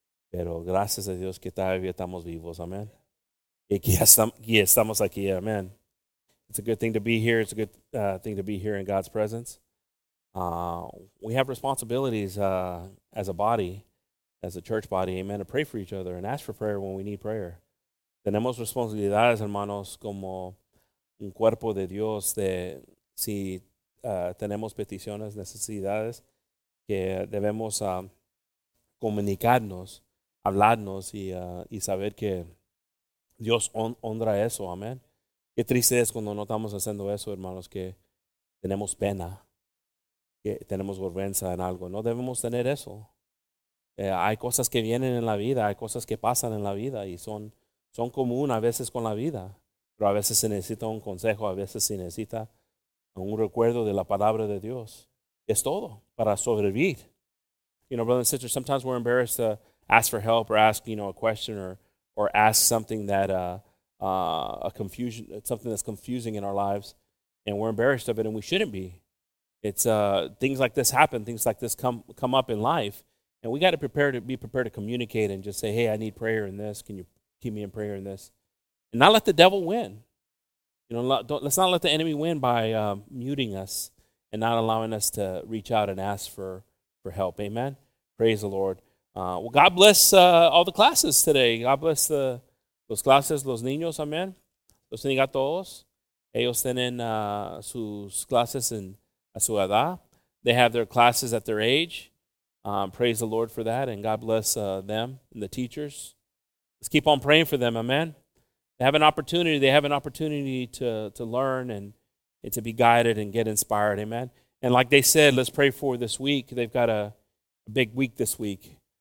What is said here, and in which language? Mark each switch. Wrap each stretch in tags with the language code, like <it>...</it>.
<es>Pero gracias a Dios que todavía estamos vivos, amen. Y que estamos aquí, amen.</es> <en>It's a good thing to be here. It's a good thing to be here in God's presence. We have responsibilities as a body, as a church body, amen, to pray for each other and ask for prayer when we need prayer.</en> <es>Tenemos responsabilidades, hermanos, como un cuerpo de Dios, de si tenemos peticiones, necesidades, que debemos comunicarnos, hablarnos y saber que Dios honra eso, amén. Qué triste es cuando no estamos haciendo eso, hermanos, que tenemos pena, que tenemos vergüenza en algo. No debemos tener eso. Hay cosas que vienen en la vida, hay cosas que pasan en la vida y son comunes a veces con la vida. Pero a veces se necesita un consejo, a veces se necesita un recuerdo de la palabra de Dios. Es todo para sobrevivir.</es> <en>You know, brothers and sisters, sometimes we're embarrassed to ask for help or ask, you know, a question or ask something that a confusion, something that's confusing in our lives, and we're embarrassed of it, and we shouldn't be. It's things like this happen, things like this come up in life, and we got to be prepared to communicate and just say, hey, I need prayer in this. Can you keep me in prayer in this? And not let the devil win. You know, let's not let the enemy win by muting us and not allowing us to reach out and ask for help. Amen. Praise the Lord. Well, God bless all the classes today. God bless the</en> <es>los clases, los niños. Amen. Los bendiga a todos. Ellos tienen sus clases en a su edad.</es> <en>They have their classes at their age. Praise the Lord for that. And God bless them and the teachers. Let's keep on praying for them. Amen. They have an opportunity to learn and to be guided and get inspired. Amen. And like they said, let's pray for this week. They've got a big week this week.</en>